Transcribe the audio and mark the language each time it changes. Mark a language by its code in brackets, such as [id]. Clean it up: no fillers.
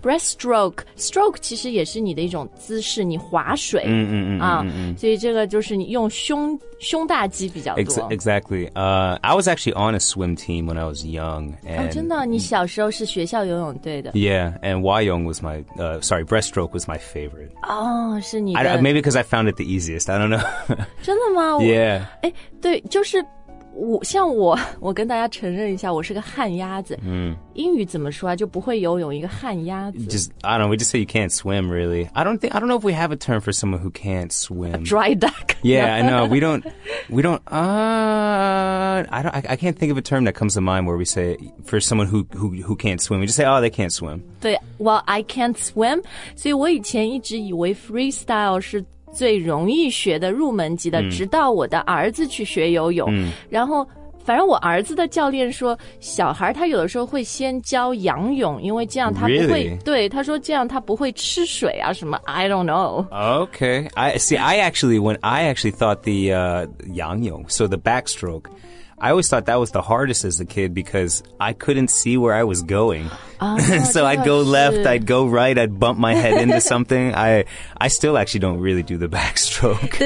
[zh] Breaststroke Stroke 其实也是你的一种姿势你划水所以这个就是你用胸大肌比较多 [en] Exactly、I was actually on a swim team when I was young and,、 [zh] 哦、真的你小时候是学校游泳队的 [en] Yeah And 蛙泳 was my、Sorry Breaststroke was my favorite [zh] 哦、oh. 哦、是你 [en] 的 maybe because I found it the easiest. I don't know. [zh] 真的吗 [en] Yeah. [zh] 诶对就是我像我跟大家承认一下我是个旱鸭子。英语怎么说啊就不会游泳一个旱鸭子。 [en] Just, I don't know, we just say you can't swim really. I don't know if we have a term for someone who can't swim. A dry duck. Yeah, I know, I can't think of a term that comes to mind where we say for someone who can't swim. We just say, oh, they can't swim. 对 well, I can't swim. [zh] 所以我以前一直以为 freestyle 是最容易学的入门级的、直到我的儿子去学游泳、然后反正我儿子的教练说小孩他有的时候会先教仰泳因为这样他不会、 [en] really? [zh] 对他说这样他不会吃水啊什么 [en] I don't know Okay I actually thought the 仰泳 so the backstroke I always thought that was the hardest as a kid because I couldn't see where I was going、so I'd go left I'd go right I'd bump my head into something I still actually don't really do the backstroke